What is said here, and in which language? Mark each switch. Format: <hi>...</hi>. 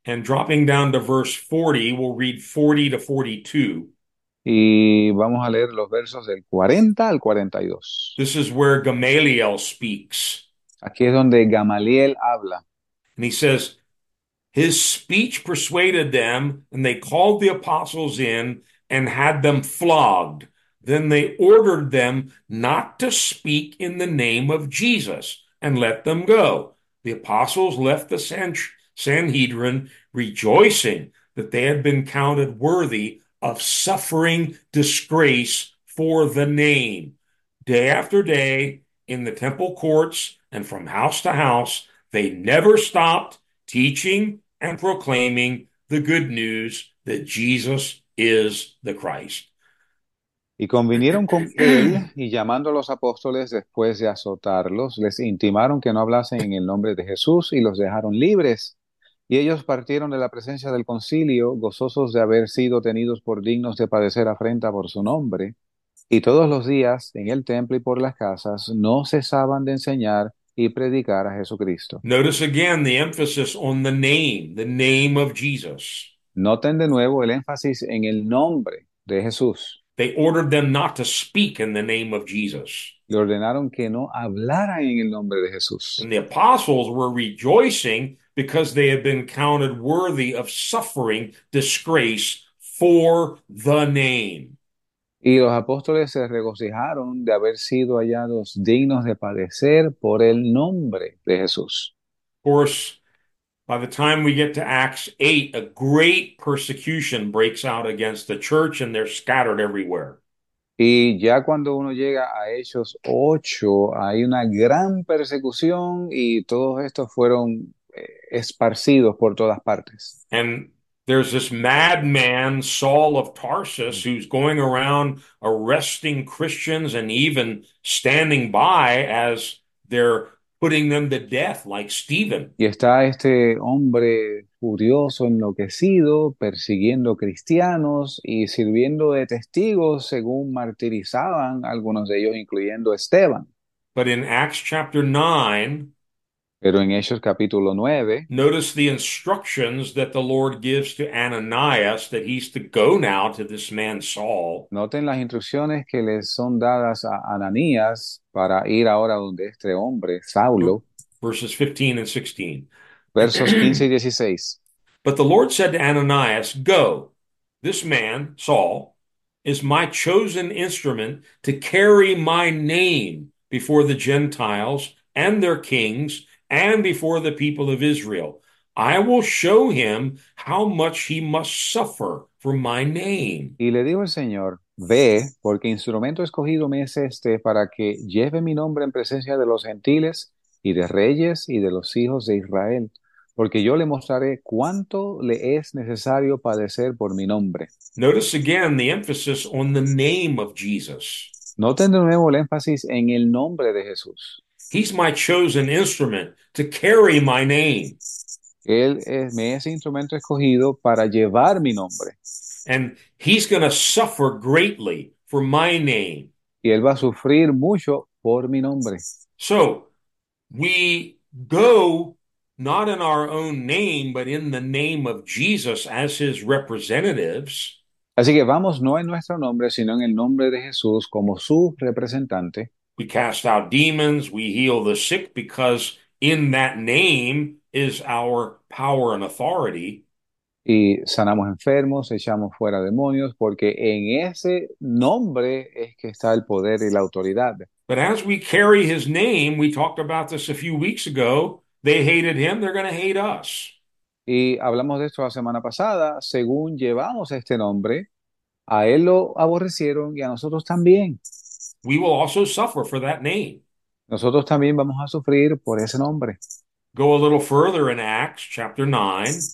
<en>And dropping down to verse 40, we'll read 40 to 42.</en> <es>Y vamos a leer los versos del 40 al 42.</es> <en>This is where Gamaliel speaks.</en> <es>Aquí es donde Gamaliel habla.</es> <en>And he says, his speech persuaded them, and they called the apostles in and had them flogged. Then they ordered them not to speak in the name of Jesus and let them go. The apostles left the Sanhedrin rejoicing that they had been counted worthy of suffering disgrace for the name. Day after day, in the temple courts and from house to house, they never stopped teaching and proclaiming the good news that Jesus is the Christ.</en> <es>Y convinieron con él y llamando a los apóstoles después de azotarlos, les intimaron que no hablasen en el nombre de Jesús y los dejaron libres. Y ellos partieron de la presencia del concilio, gozosos de haber sido tenidos por dignos de padecer afrenta por su nombre. Y todos los días en el templo y por las casas no cesaban de enseñar y predicar a Jesucristo.</es> <en>Notice again the emphasis on the name of Jesus.</en> <es>Noten de nuevo el énfasis en el nombre de Jesús.</es> <en>They ordered them not to speak in the name of Jesus.</en> <es>Le ordenaron que no hablara en el nombre de Jesús.</es> <en>And the apostles were rejoicing because they had been counted worthy of suffering disgrace for the name.</en> <es>Y los apóstoles se regocijaron de haber sido hallados dignos de padecer por el nombre de Jesús.</es> <en>Of course, by the time we get to Acts 8, a great persecution breaks out against the church and they're scattered everywhere.</en> <es>Y ya cuando uno llega a Hechos 8, hay una gran persecución y todos estos fueron esparcidos por todas partes.</es> <en>And there's this madman, Saul of Tarsus, who's going around arresting Christians and even standing by as they're putting them to death like Stephen.</en> <es>Y está este hombre furioso, enloquecido, persiguiendo cristianos y sirviendo de testigos según martirizaban algunos de ellos, incluyendo Esteban.</es> <en>But in Acts chapter 9,</en> <es>Pero en Hechos capítulo 9,</es> <en>notice the instructions that the Lord gives to Ananias that he's to go now to this man Saul.</en> <es>noten las instrucciones que les son dadas a Ananías para ir ahora donde este hombre, Saulo.</es> <en>Verses 15 and 16.</en> <es>Versos 15 y 16.</es> <en>But the Lord said to Ananias, go, this man, Saul, is my chosen instrument to carry my name before the Gentiles and their kings and before the people of Israel. I will show him how much he must suffer for my name.</en> <es>Y le dijo el Señor: Ve, porque instrumento escogido me es este para que lleve mi nombre en presencia de los gentiles y de reyes y de los hijos de Israel. Porque yo le mostraré cuánto le es necesario padecer por mi nombre.</es> <en>Notice again the emphasis on the name of Jesus.</en> <es>Noten de nuevo el énfasis en el nombre de Jesús.</es> <en>He's my chosen instrument to carry my name.</en> <es>Me es instrumento escogido para llevar mi nombre.</es> <en>And he's going to suffer greatly for my name.</en> <es>Y él va a sufrir mucho por mi nombre.</es> <en>So we go not in our own name, but in the name of Jesus as his representatives.</en> <es>Así que vamos no en nuestro nombre, sino en el nombre de Jesús como su representante.</es> <en>We cast out demons, we heal the sick, because in that name is our power and authority.</en> <es>Y sanamos enfermos, echamos fuera demonios, porque en ese nombre es que está el poder y la autoridad.</es> <en>But as we carry his name, we talked about this a few weeks ago, they hated him, they're going to hate us.</en> <es>Y hablamos de esto la semana pasada. Según llevamos este nombre, a él lo aborrecieron y a nosotros también.</es> <en>We will also suffer for that name.</en> <es>Nosotros también vamos a sufrir por ese nombre.</es> <en>Go a little further in Acts chapter 9,</en>